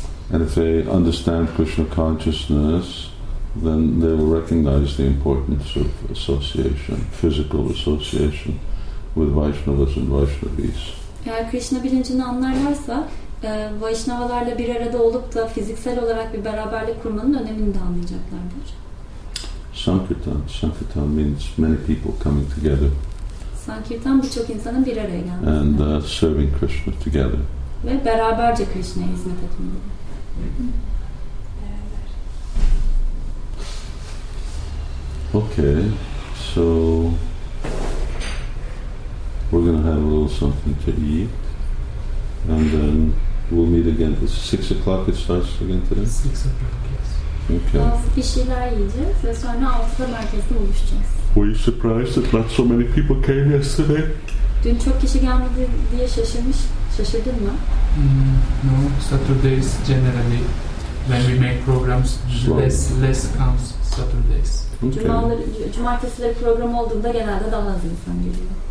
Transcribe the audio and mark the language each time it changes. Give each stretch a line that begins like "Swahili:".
English: And if they understand Krishna consciousness, then they will recognize the importance of association, physical association with Vaishnavas and Vaishnavis.
Turkish: Eğer Krishna bilincini anlarlarsa, Vaishnavalarla bir arada olup da fiziksel olarak bir beraberlik kurmanın önemini de anlayacaklardır.
English: Sankirtan means many people coming together.
Turkish: Sankirtan birçok insanın bir araya gelmesi.
English: And serving Krishna together.
Turkish: Ve beraberce Krishna'ya hizmet etmeleri.
English: Okay, so we're going to have a little something to eat, and then we'll meet again. It's 6 o'clock it starts again today? 6 o'clock, yes. Okay.
Turkish: Bir şeyler yiyeceğiz ve sonra 6'da merkezde buluşacağız.
English: Were you surprised that not so many people came yesterday?
Turkish: Dün çok kişi gelmedi diye şaşırdın mı?
English: No, Saturdays generally, when we make programs, less comes Saturdays. Okay.
Turkish: Cumartesileri program olduğunda genelde daha az insan geliyor.